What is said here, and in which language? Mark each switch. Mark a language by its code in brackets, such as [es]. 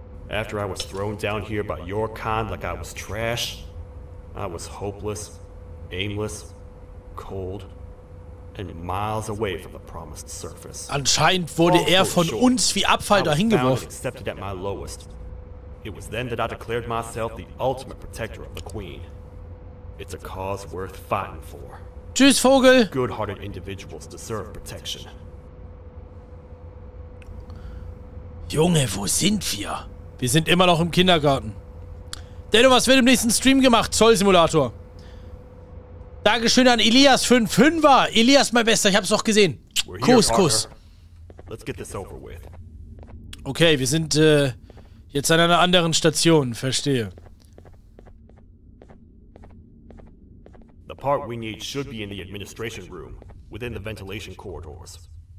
[en] After I was thrown down here by your kind like I was trash, I was hopeless, aimless, cold, and miles away from the promised surface. [de] Anscheinend wurde er von uns wie Abfall dahin geworfen. [en] I was accepted at my lowest. It was then that I declared myself the ultimate protector of the queen. It's a cause worth fighting for. [de] Tschüss, Vogel. [en] Good-hearted individuals deserve protection. [de] Junge, wo sind wir? Wir sind immer noch im Kindergarten. Denno, was wird im nächsten Stream gemacht? Zollsimulator. Dankeschön an Elias für den Fünfer. Elias, mein Bester, ich hab's doch gesehen. Here, Kuss, Parker. Kuss. [en] Let's get this over with. [de] Okay, wir sind jetzt an einer anderen Station. Verstehe. [en] The part we need should be in the administration room, within the ventilation corridors.